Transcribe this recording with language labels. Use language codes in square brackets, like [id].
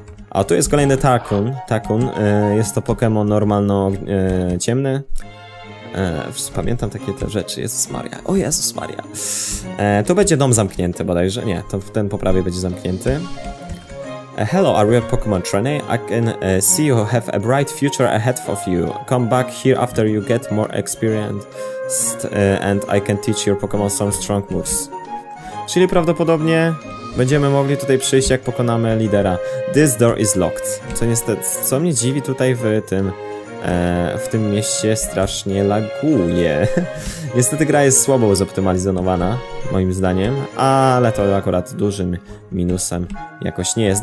[pl] A tu jest kolejny Takun. Takun jest to Pokémon normalno ciemny. Pamiętam takie te rzeczy. Jezus Maria. O Jezus Maria. To będzie dom zamknięty bodajże. Nie, to ten po prawej będzie zamknięty. [en] Hello, are you a Pokemon trainer? I can see you have a bright future ahead of you. Come back here after you get more experience and I can teach your Pokemon some strong moves. [pl] Czyli prawdopodobnie będziemy mogli tutaj przyjść, jak pokonamy lidera. [en] This door is locked. [pl] Co niestety, co mnie dziwi tutaj w tym mieście strasznie laguje. Niestety gra jest słabo zoptymalizowana, moim zdaniem, ale to akurat dużym minusem jakoś nie jest.